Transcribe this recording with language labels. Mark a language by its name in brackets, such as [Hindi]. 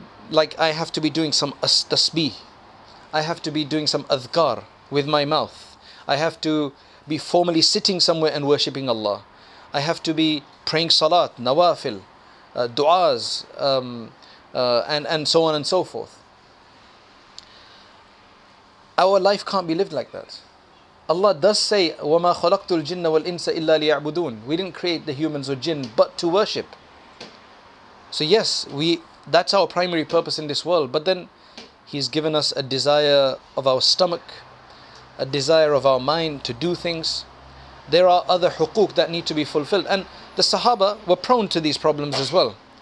[English] Like I have to be doing some tasbih, I have to be doing some adhkar with my mouth, I have to be formally sitting somewhere and worshipping Allah, I have to be praying salat, nawafil, du'as, and so on and so forth. Our life can't be lived like that. Allah does say, [Arabic] وَمَا خَلَقْتُ الْجِنَّ وَالْإِنسَ إِلَّا لِيَعْبُدُونَ. [English] We didn't create the humans or jinn but to worship. So yes, that's our primary purpose in this world. But then He's given us a desire of our stomach, a desire of our mind to do things. There are other huquq that need to be fulfilled. And the Sahaba were prone to these problems as well.